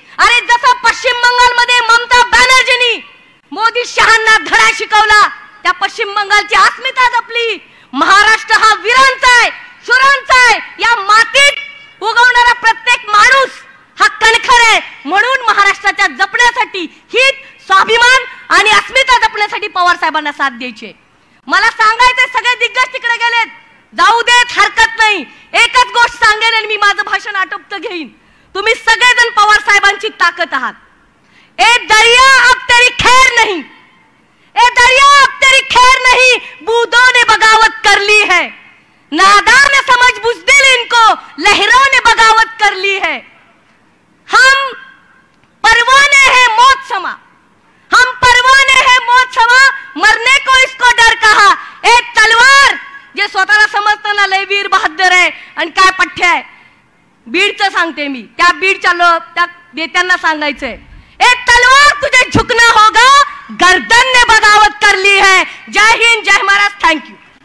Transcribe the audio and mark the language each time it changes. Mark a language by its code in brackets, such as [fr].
[mr] अरे जसं पश्चिम बंगालमध्ये ममता बॅनर्जींनी मोदी शहांना धडा शिकवला, त्या पश्चिम बंगालची अस्मिता जपली, महाराष्ट्र हा वीरांचा आहे, शूरांचा आहे, या मातीत उगवणारा प्रत्येक माणूस हा कणखर आहे, म्हणून महाराष्ट्राच्या जपण्यासाठी, हित, स्वाभिमान आणि अस्मिता जपण्यासाठी पवार साहेबांना साथ द्यायचे। मला सांगायचंय, सगळे दिग्गज तिकडे गेलेत, जाऊ देत हरकत नाही, एकच गोष्ट सांगेन आणि मी माझं भाषण आटोपत घेईन, तुम्ही सगळेजण पवार साहेबांची ताकद आहात। [hi] ए दरिया अब तेरी खैर नहीं, ए दरिया अब तेरी खैर नहीं, बूदों ने बगावत कर ली है, नादान ने समझ बुजदिल इनको लहरों ने बगावत कर ली है। हम परवाने हैं मौत समा, हम परवाने हैं मौत समा, मरने को इसको डर कहा, ए तलवार [mr] जे स्वतःला समजतं ना लय वीर बहादूर आहे, आणि काय पठ्य आहे बीडचं सांगते मी, त्या बीडच्या लोक त्या नेत्यांना सांगायचंय, [hi] ए तलवार तुझे झुकना होगा, गर्दन ने बगावत कर ली है, जय हिंद जय महाराज, थैंक यू।